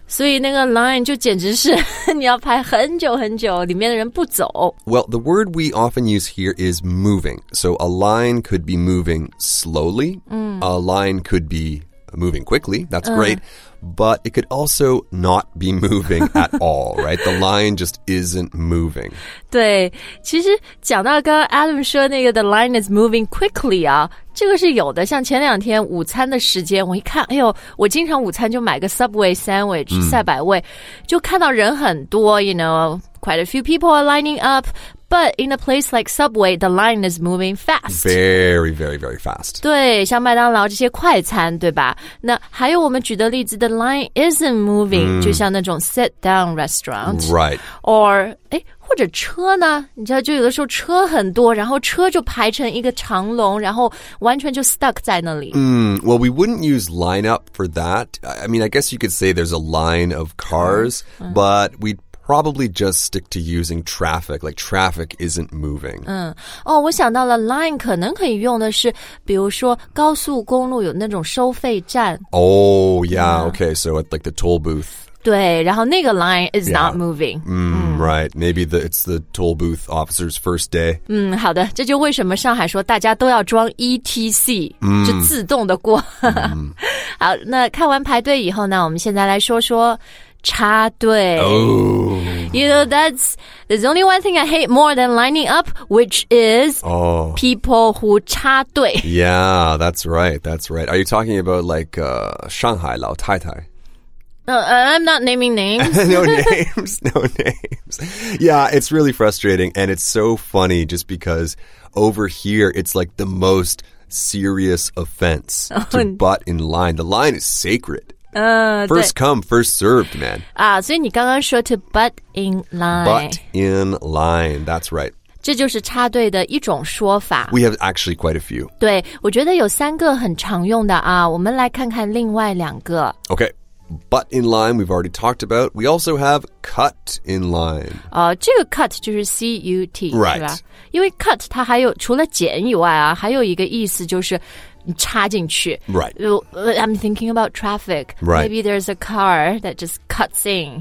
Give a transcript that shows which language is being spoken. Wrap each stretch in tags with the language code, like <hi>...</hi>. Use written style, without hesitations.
<zh>所以那个 line 就简直是你要排很久很久里面的人不走。</zh> <en>Well, the word we often use here is moving. So a line could be moving slowly.、A line could be moving quickly, that's great, but it could also not be moving at all, right? The line just isn't moving.</en> <zh>对,其实讲到刚刚 Adam 说那个 the line is moving quickly 啊,这个是有的,像前两天午餐的时间,我一看,哎呦,我经常午餐就买个 Subway sandwich, 赛百味,就看到人很多,</zh> <en>you know, quite a few people are lining up, But in a place like Subway, the line is moving fast. Very, very, very fast.</en> <zh>对，像麦当劳这些快餐，对吧？那还有我们举的例子 ，</zh> <en>the line isn't moving，</en> <zh>就像那种</zh> <en>sit down restaurant， right？</en> <zh>Or 哎，或者车呢？你知道，就有的时候车很多，然后车就排成一个长龙，然后完全就 stuck 在那里。</zh> <en>Well, we wouldn't use line up for that. I mean, I guess you could say there's a line of cars, but we'd probably just stick to using traffic, like traffic isn't moving.</en> <zh>我想到了 line 可能可以用的是比如说高速公路有那种收费站。</zh> <en>Okay, so at like the toll booth.</en> <zh>对，然后那个</zh> <en>line is not moving. Right, maybe it's the toll booth officer's first day.</en> <zh>好的，这就为什么上海说大家都要装 ETC,就自动的过。好，那看完排队以后呢，我们现在来说说插队。</zh> <en>You know, there's only one thing I hate more than lining up, which is people who 插队. Yeah, that's right, that's right. Are you talking about like Shanghai 老太太? I'm not naming names. No names. Yeah, it's really frustrating, and it's so funny just because over here, it's like the most serious offense to butt in line. The line is sacred. First come, first served, man.</en> <zh>所以你刚刚说</zh> <en>to butt in line. Butt in line, that's right.</en> <zh>这就是插队的一种说法。</zh> <en>We have actually quite a few.</en> <zh>对，我觉得有三个很常用的啊，我们来看看另外两个。</zh> <en>Okay, butt in line, we've already talked about. We also have cut in line.</en> <zh>这个 cut 就是 C-U-T,</zh> <en>right.</en> <zh>是吧？因为 cut 它还有除了剪以外啊，还有一个意思就是插进去</zh> <en>right. I'm thinking about traffic. Right. Maybe there's a car that just cuts in.</en>